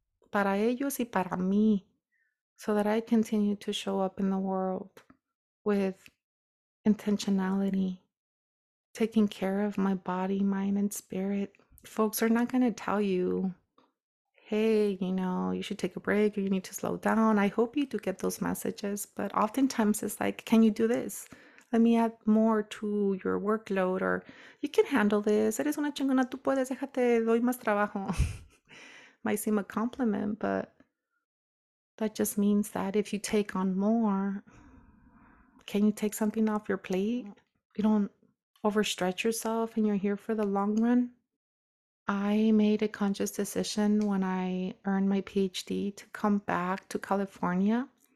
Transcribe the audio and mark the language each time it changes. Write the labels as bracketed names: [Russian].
[Spanish] Para ellos y para mí, [English] so that I continue to show up in the world with intentionality, taking care of my body, mind, and spirit. Folks are not going to tell you, hey, you know, you should take a break or you need to slow down. I hope you do get those messages, but oftentimes it's like, can you do this? Let me add more to your workload, or you can handle this. [Spanish] Eres una chingona, tú puedes, déjate, doy más trabajo. [English] Might seem a compliment, but that just means that if you take on more, can you take something off your plate? You don't overstretch yourself and you're here for the long run. I made a conscious decision when I earned my PhD to come back to California.